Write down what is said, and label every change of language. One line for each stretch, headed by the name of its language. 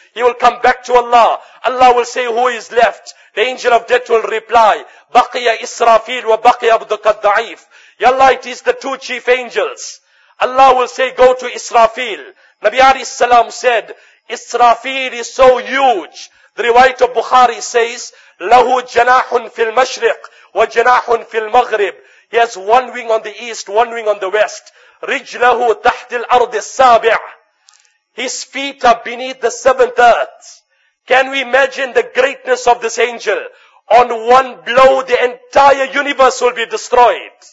English: He will come back to Allah. Allah will say, who is left? The angel of death will reply, Baqiya Israfil wa Baqiya Abduka Da'if. Ya Allah, it is the two chief angels. Allah will say, go to Israfil. Nabi Ali Salam said, Israfil is so huge. The riwayat of Bukhari says,
Arabic: لَهُ جَنَاحٌ فِي الْمَشْرِقِ وَجَنَاحٌ فِي الْمَغْرِبِ.
English: He has one wing on the east, one wing on the west.
Arabic: رِجْلَهُ تَحْتِ الْأَرْضِ السَّابِعِ.
English: His feet are beneath the seventh earth. Can we imagine the greatness of this angel? On one blow, the entire universe will be destroyed.